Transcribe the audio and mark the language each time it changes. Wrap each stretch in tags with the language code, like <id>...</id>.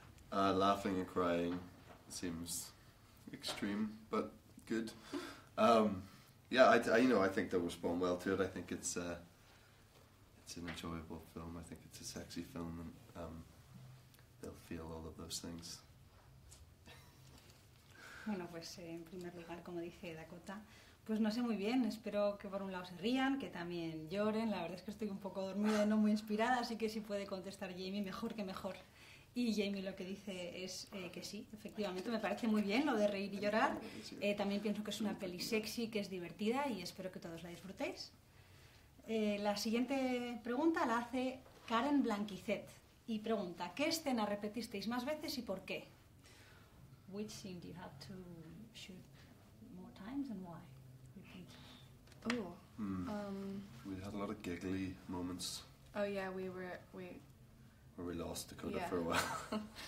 <en>Laughing and crying seems extreme, but good. I think they'll respond well to it. I think it's an enjoyable film. I think it's a sexy film, and they'll feel all of those things.</en> <es>Bueno, pues en primer lugar, como dice Dakota, pues no sé muy bien, espero que por un lado se rían, que también lloren, la verdad es que estoy un poco dormida y no muy inspirada, así que si puede contestar Jamie, mejor que mejor. Y Jamie lo que dice es que sí, efectivamente, me parece muy bien lo de reír y llorar, también pienso que es una peli sexy, que es divertida y espero que todos la disfrutéis. La siguiente pregunta la hace Karen Blanquizet y pregunta, ¿qué escena repetisteis más veces y por qué?</es> <en>Which scene do you have to shoot more times and why? We had a lot of giggly moments. Oh yeah, where we lost Dakota for a while.</en>